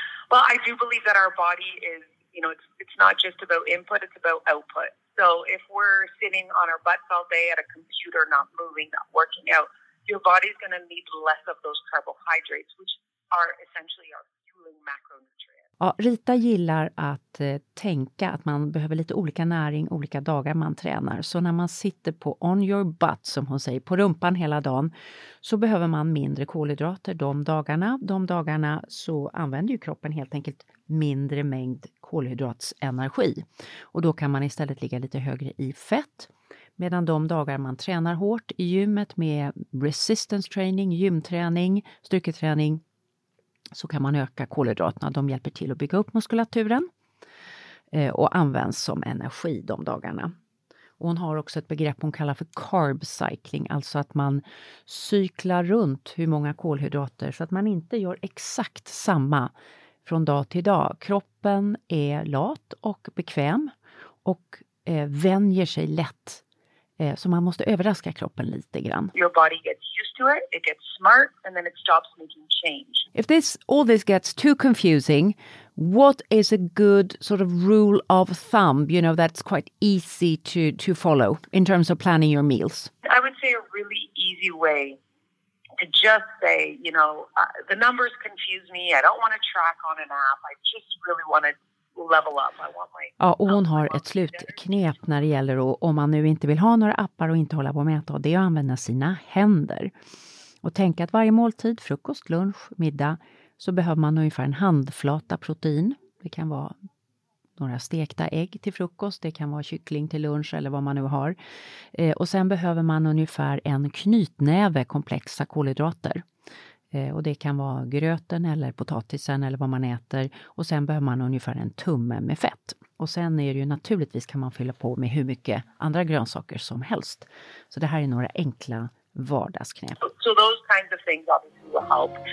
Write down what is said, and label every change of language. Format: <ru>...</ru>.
<en>Well, I do believe that our body is, you know, it's not just about input, it's about output. So if we're sitting on our butts all day at a computer, not moving, not working out, your body's going to need less of those carbohydrates, which are essentially our fueling macronutrients.</en> <sv>Ja, Rita gillar att tänka att man behöver lite olika näring olika dagar man tränar. Så när man sitter på</sv> <en>on your butt,</en> <sv>som hon säger, på rumpan hela dagen, så behöver man mindre kolhydrater de dagarna. De dagarna så använder ju kroppen helt enkelt mindre mängd kolhydratsenergi. Och då kan man istället ligga lite högre i fett. Medan de dagar man tränar hårt i gymmet med resistance training, gymträning, styrketräning, så kan man öka kolhydraterna. De hjälper till att bygga upp muskulaturen och används som energi de dagarna. Och hon har också ett begrepp hon kallar för carb cycling, alltså att man cyklar runt hur många kolhydrater, så att man inte gör exakt samma från dag till dag. Kroppen är lat och bekväm och vänjer sig lätt, så man måste överraska kroppen lite grann.</sv> <en>Your body gets used to it, it gets smart, and then it stops making change. If this all this gets too confusing, what is a good sort of rule of thumb, you know, that's quite easy to follow in terms of planning your meals? I would say a really easy way to just say, you know, the numbers confuse me. I don't want to track on an app. I just really want to level up.</en> <sv>Ja, och hon har ett slutknep när det gäller då, om man nu inte vill ha några appar och inte hålla på och mäta, och det är att använda sina händer. Och tänka att varje måltid, frukost, lunch, middag, så behöver man ungefär en handflata protein. Det kan vara några stekta ägg till frukost, det kan vara kyckling till lunch eller vad man nu har. Och sen behöver man ungefär en knytnäve komplexa kolhydrater. Och det kan vara gröten eller potatisen eller vad man äter. Och sen behöver man ungefär en tumme med fett. Och sen är det ju naturligtvis kan man fylla på med hur mycket andra grönsaker som helst. Så det här är några enkla vardagsknep.</sv> <en>So those kinds of things obviously will help.</en>